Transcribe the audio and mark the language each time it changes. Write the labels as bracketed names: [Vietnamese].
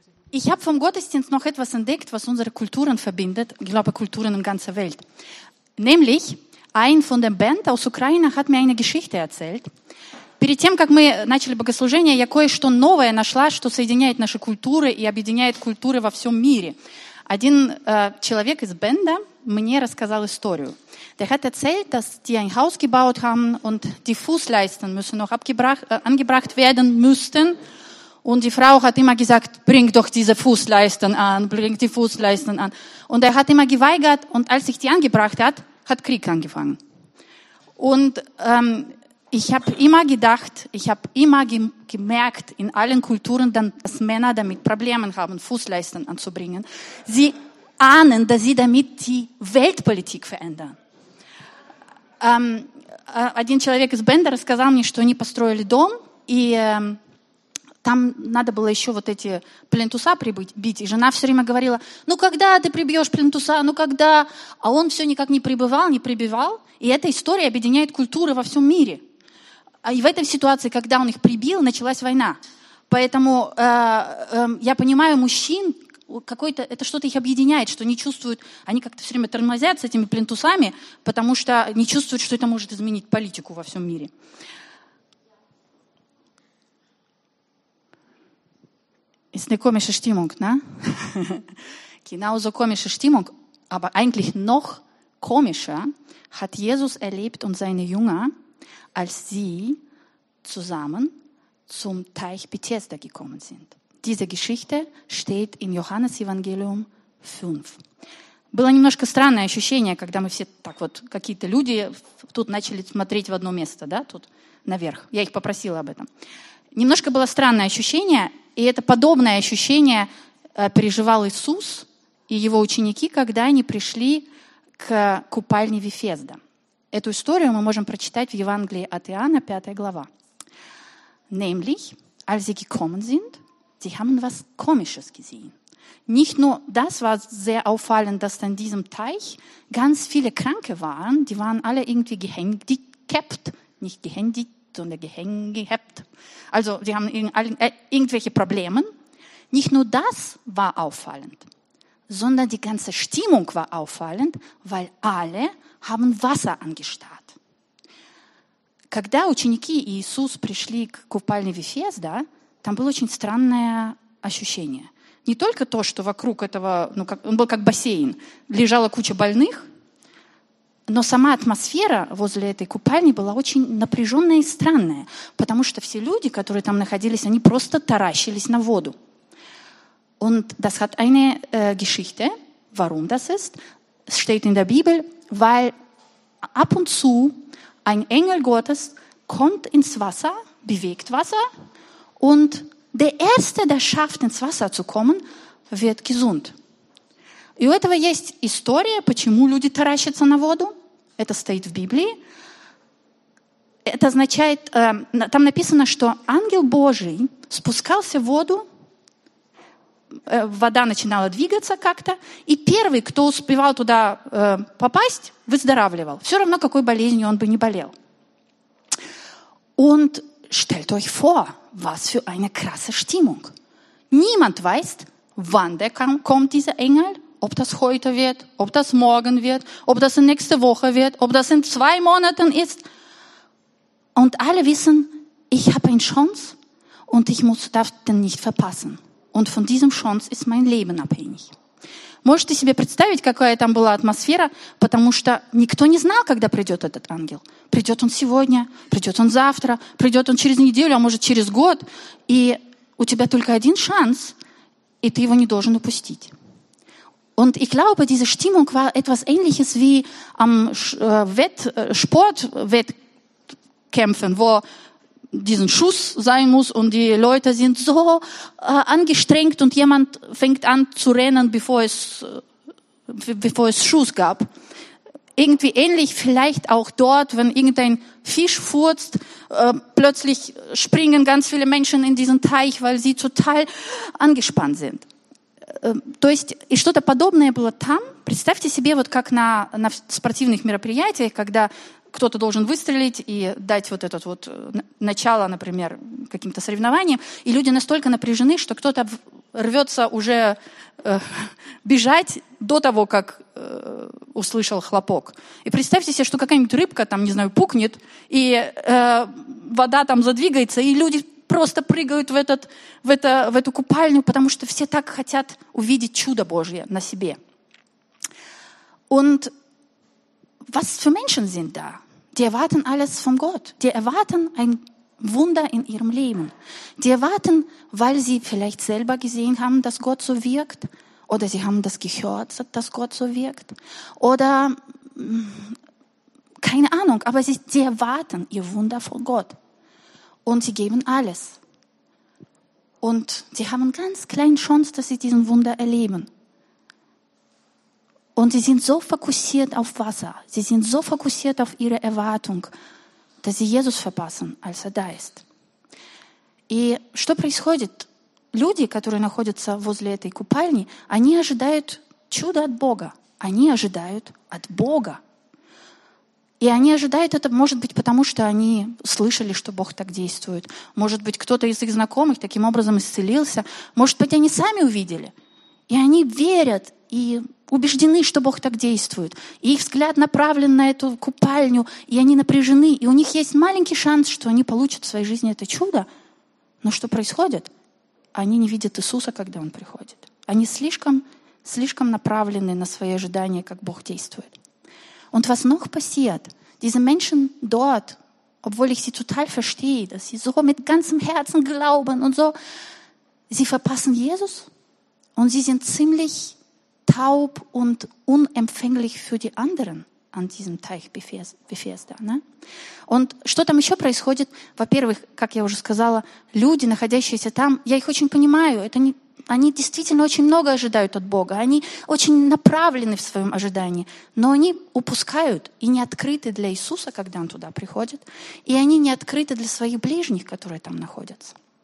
[German] Ich habe vom Gottesdienst noch etwas entdeckt, was unsere Kulturen verbindet, ich glaube Kulturen in ganzer Welt. Nämlich, ein von der Band aus Ukraine hat mir eine Geschichte erzählt. [Russian] Перед тем, как мы начали богослужение, я кое-что новое нашла, что соединяет наши культуры и объединяет культуры во всем мире. Один человек из Бенда мне рассказал историю. [German] Der hat erzählt, dass die ein Haus gebaut haben und die Fußleisten müssen noch angebracht werden müssten. Und die Frau hat immer gesagt, bring doch diese Fußleisten an, bring die Fußleisten an. Und hat immer geweigert und als ich die angebracht hat, hat Krieg angefangen. Und ich habe immer gedacht, ich habe immer gemerkt in allen Kulturen, dass Männer damit Probleme haben, Fußleisten anzubringen. Sie ahnen, dass sie damit die Weltpolitik verändern. [Russian] Один человек из Бенда рассказал мне, что они построили дом, и там надо было еще вот эти плинтуса прибить. И жена все время говорила, ну когда ты прибьешь плинтуса, ну когда? А он все никак не прибивал. И эта история объединяет культуры во всем мире. И в этой ситуации, когда он их прибил, началась война. Поэтому я понимаю мужчин, какой-то, это что-то их объединяет, что они чувствуют, они как-то все время тормозят с этими плинтусами, потому что не чувствуют, что это может изменить политику во всем мире. [German] Ist eine komische Stimmung, ne? Genauso komische Stimmung, aber eigentlich noch komischer hat Jesus erlebt und seine Jünger, als sie zusammen zum Teich Bethesda gekommen sind. Diese Geschichte steht in Johannes Evangelium 5. [Russian] Было немножко странное ощущение, когда мы все так вот какие-то люди тут начали смотреть в одно место, да, тут наверх. Я их попросила об этом. Немножко было странное ощущение, и это подобное ощущение переживал Иисус и его ученики, когда они пришли к купальне Вифезда. Эту историю мы можем прочитать в Евангелии от Иоанна, 5 глава. [German] Nämlich, als sie gekommen sind, sie haben was Komisches gesehen. Nicht nur das war sehr auffallend, dass an diesem Teich ganz viele Kranke waren, die waren alle irgendwie gehandicapt, nicht gehandicapt, sondern gehängt. Also sie haben irgendwelche Probleme. Nicht nur das war auffallend, sondern die ganze Stimmung war auffallend, weil alle haben Wasser angestarrt. [Russian] Когда ученики Иисус пришли к купальне Вифезда, там было очень странное ощущение. Не только то, что вокруг этого, ну как, он был как бассейн, лежала куча больных. Но сама атмосфера возле этой купальни была очень напряженная и странная, потому что все люди, которые там находились, они просто таращились на воду. [German] Und das hat eine Geschichte, warum das ist, steht in der Bibel, weil ab und zu ein Engel Gottes kommt ins Wasser, bewegt Wasser, und der Erste, der schafft, ins Wasser zu kommen, wird gesund. [Russian] И у этого есть история, почему люди таращатся на воду. Это стоит в Библии. Это означает, там написано, что ангел Божий спускался в воду, вода начинала двигаться как-то, и первый, кто успевал туда попасть, выздоравливал. Все равно, какой болезнью он бы не болел. [German] Und stellt euch vor, was für eine krasse Stimmung. Niemand weiß, wann der kommt, dieser Engel. Ob das heute wird, ob das morgen wird, ob das in nächste Woche wird, ob das in 2 Monaten ist. Und alle wissen, ich habe eine Chance und ich darf den nicht verpassen. Und von diesem Chance ist mein Leben abhängig. [Russian] Можете себе представить, какая там была атмосфера, потому что никто не знал, когда придет этот ангел. Придет он сегодня, придет он завтра, придет он через неделю, а может через год. И у тебя только один шанс, и ты его не должен упустить. [German] Und ich glaube, diese Stimmung war etwas Ähnliches wie am Sportwettkämpfen, wo diesen Schuss sein muss und die Leute sind so angestrengt und jemand fängt an zu rennen, bevor es Schuss gab. Irgendwie ähnlich vielleicht auch dort, wenn irgendein Fisch furzt, plötzlich springen ganz viele Menschen in diesen Teich, weil sie total angespannt sind. [Russian] То есть и что-то подобное было там. Представьте себе, вот как на спортивных мероприятиях, когда кто-то должен выстрелить и дать вот это вот начало, например, каким-то соревнованиям. И люди настолько напряжены, что кто-то рвется уже бежать до того, как услышал хлопок. И представьте себе, что какая-нибудь рыбка, там, не знаю, пукнет, и вода там задвигается, и люди просто прыгают в эту купальню, потому что все так хотят увидеть чудо Божье на себе. [German] Und was für Menschen sind da? Die erwarten alles von Gott. Die erwarten ein Wunder in ihrem Leben. Die erwarten, weil sie vielleicht selber gesehen haben, dass Gott so wirkt. Oder sie haben das gehört, dass Gott so wirkt. Oder keine Ahnung, aber sie erwarten ihr Wunder von Gott. Und sie geben alles. Und sie haben ganz kleine Chance, dass sie diesen Wunder erleben. Und sie sind so fokussiert auf Wasser, sie sind so fokussiert auf ihre Erwartung, dass sie Jesus verpassen, als er da ist. [Russian] И что происходит? Люди, которые находятся возле этой купальни, они ожидают чуда от Бога. Они ожидают от Бога. И они ожидают это, может быть, потому что они слышали, что Бог так действует. Может быть, кто-то из их знакомых таким образом исцелился. Может быть, они сами увидели. И они верят и убеждены, что Бог так действует. И их взгляд направлен на эту купальню, и они напряжены. И у них есть маленький шанс, что они получат в своей жизни это чудо. Но что происходит? Они не видят Иисуса, когда Он приходит. Они слишком, слишком направлены на свои ожидания, как Бог действует. [German] Und was noch passiert? Diese Menschen dort, obwohl ich sie total verstehe, dass sie so mit ganzem Herzen glauben und so, sie verpassen Jesus und sie sind ziemlich taub und unempfänglich für die anderen an diesem Teich Bethesda. Ne? Und [Russian] что там еще происходит? Во-первых, как я уже сказала, люди, находящиеся там, я их очень понимаю, это не, они действительно очень много ожидают от Бога, они очень направлены в своем ожидании, но они упускают и не открыты для Иисуса, когда Он туда приходит, и они не открыты для своих ближних, которые там находятся.